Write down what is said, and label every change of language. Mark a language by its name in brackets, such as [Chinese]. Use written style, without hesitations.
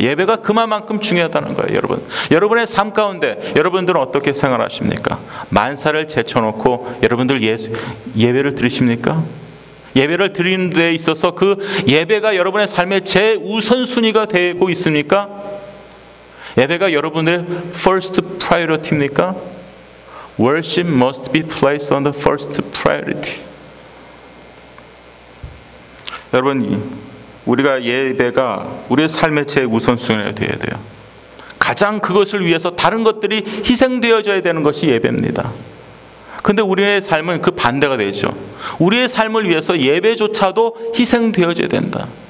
[Korean] 예배가 그만큼 중요하다는 거예요, 여러분. 여러분의 삶 가운데 여러분들은 어떻게 생활하십니까? 만사를 제쳐놓고 여러분들 예배를 드리십니까? 예배를 드리는 데 있어서 그 예배가 여러분의 삶의 제우선순위가 되고 있습니까? 예배가 여러분의 first priority입니까? [English] Worship must be placed on the first priority. [Korean] 여러분 우리가 예배가 우리의 삶의 제우선순위가 되어야 돼요. 가장 그것을 위해서 다른 것들이 희생되어져야 되는 것이 예배입니다. 근데 우리의 삶은 그 반대가 되죠. 우리의 삶을 위해서 예배조차도 희생되어져야 된다.